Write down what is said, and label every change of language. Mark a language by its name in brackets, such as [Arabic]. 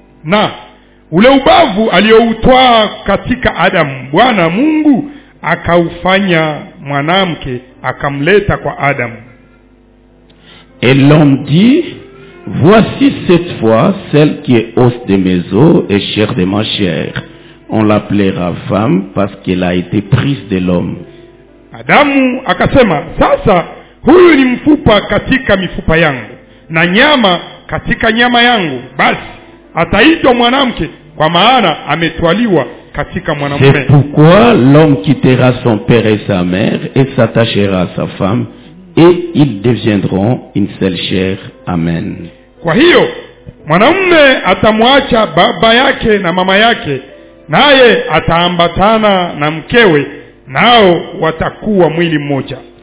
[Swahili] Na ule ubavu aliyoutoa katika Adam, Bwana Mungu akaufanya mwanamke, akamleta kwa Adam. [French] Et l'homme dit, voici cette fois celle qui est os de mes os et chair de ma chair. On l'appellera femme parce qu'elle a été prise de l'homme. [Swahili] Adamu akasema, sasa huyu ni mfupa katika mifupa yangu na nyama katika nyama yangu, basi ataitwa mwanamke kwa maana ametwaliwa katika mwanamume. [French] C'est pourquoi l'homme quittera son père et sa mère et s'attachera à sa femme, et ils deviendront une seule chair. Amen. [Swahili] Kwa hiyo mwanamume atamwacha baba yake na mama yake, naye ataambatana na mkewe, nao watakuwa mwili mmoja.